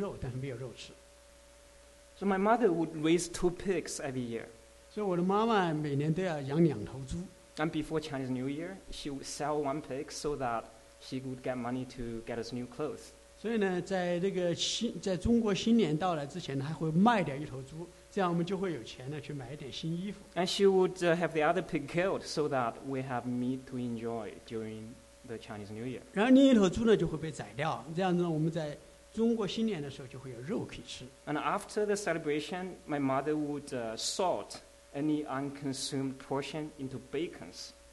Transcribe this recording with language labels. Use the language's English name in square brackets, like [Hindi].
[Chinese] 但是我里头还是要受一个痛苦，是个什么样的痛苦呢？就是我总是想吃肉，但是没有肉吃。 [English] So my mother would raise two pigs every year. [Chinese] 所以我的妈妈每年都要养两头猪。 [English] And before Chinese New Year, she would sell one pig so that she would get money to get us new clothes. [Chinese] 所以呢，在这个新，在中国新年到来之前呢，还会卖掉一头猪，这样我们就会有钱呢去买一点新衣服。 [English] And she would have the other pig killed so that we have meat to enjoy during the Chinese New Year. [Chinese] 然后另一头猪呢就会被宰掉，这样呢我们在中国新年的时候就会有肉可以吃。 [English] And after the celebration, my mother would salt any unconsumed portion into bacons.